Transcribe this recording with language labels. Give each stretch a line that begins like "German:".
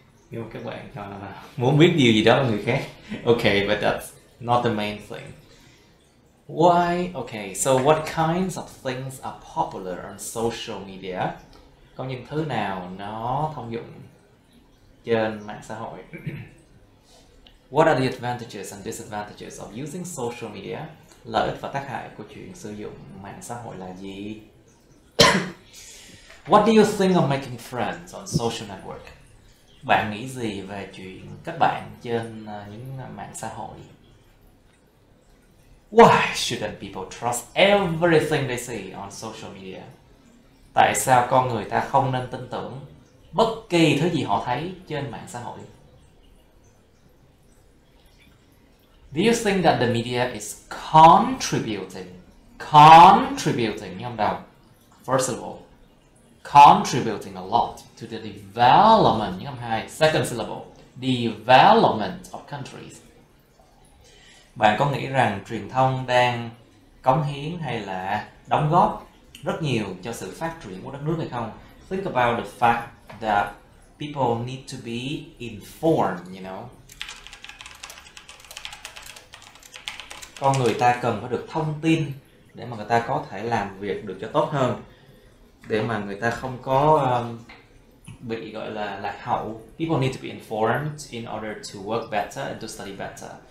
Vietnamese: Nếu mà các bạn muốn biết điều gì đó của người khác.
English: Okay, but that's not the main thing. Why? Okay, so what kinds of things are popular on social media?
Vietnamese: Có những thứ nào nó thông dụng trên mạng xã hội?
English: What are the advantages and disadvantages of using social media?
Vietnamese: Lợi ích và tác hại của chuyện sử dụng mạng xã hội là gì?
English: What do you think of making friends on social network?
Vietnamese: Bạn nghĩ gì về chuyện kết bạn trên những mạng xã hội?
English: Why shouldn't people trust everything they see on social media?
Vietnamese: Tại sao con người ta không nên tin tưởng bất kỳ thứ gì họ thấy trên mạng xã hội?
English: Do you think that the media is contributing,
Vietnamese: nhâm đầu?
English: First of all, contributing a lot to the development,
Vietnamese: nhâm hai,
English: second syllable, development of countries.
Vietnamese: Bạn có nghĩ rằng truyền thông đang cống hiến hay là đóng góp rất nhiều cho sự phát triển của đất nước hay không?
English: Think about the fact that people need to be informed, you know.
Vietnamese: Con người ta cần phải được thông tin để mà người ta có thể làm việc được cho tốt hơn. Để mà người ta không có bị gọi là lạc hậu.
English: People need to be informed in order to work better and to study better.